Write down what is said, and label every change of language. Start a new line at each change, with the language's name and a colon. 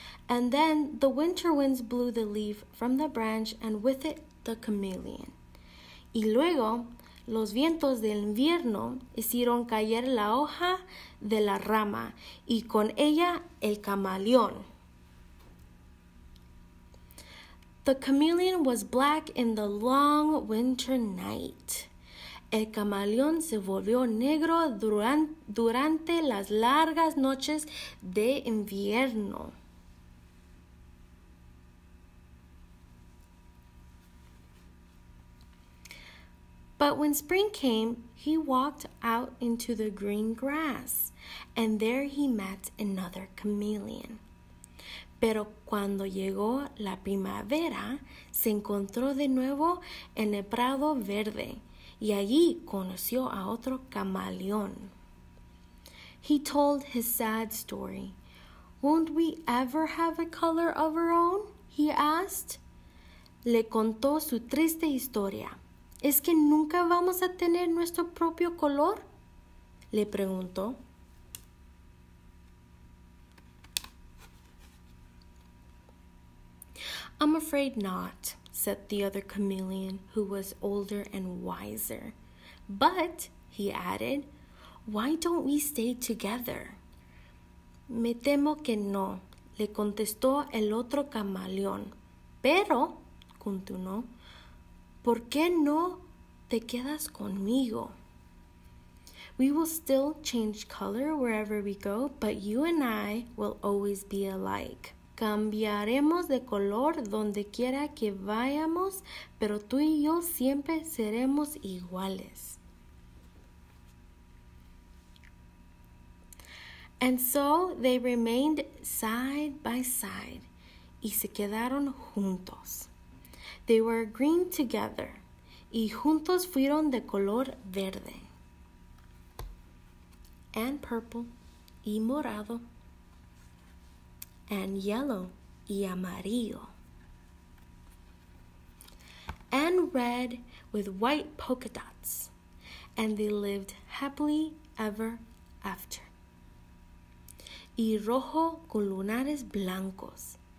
English: And then the winter winds blew the leaf from the branch, and with it the chameleon.
Spanish: Y luego los vientos del invierno hicieron caer la hoja de la rama, y con ella el camaleón.
English: The chameleon was black in the long winter night.
Spanish: El camaleón se volvió negro durante las largas noches de invierno.
English: But when spring came, he walked out into the green grass, and there he met another chameleon.
Spanish: Pero cuando llegó la primavera, se encontró de nuevo en el prado verde, y allí conoció a otro camaleón.
English: He told his sad story. "Won't we ever have a color of our own?" he asked.
Spanish: Le contó su triste historia. ¿Es que nunca vamos a tener nuestro propio color?, le preguntó.
English: "I'm afraid not," said the other chameleon, who was older and wiser. "But," he added, "why don't we stay together?"
Spanish: Me temo que no, le contestó el otro camaleón. "Pero," continuó, "¿por qué no te quedas conmigo?"
English: "We will still change color wherever we go, but you and I will always be alike."
Spanish: Cambiaremos de color donde quiera que vayamos, pero tú y yo siempre seremos iguales.
English: And so they remained side by side.
Spanish: Y se quedaron juntos.
English: They were green together.
Spanish: Y juntos fueron de color verde.
English: And purple.
Spanish: Y morado.
English: And yellow,
Spanish: y amarillo.
English: And red with white polka dots. And they lived happily ever after.
Spanish: Y rojo con lunares blancos.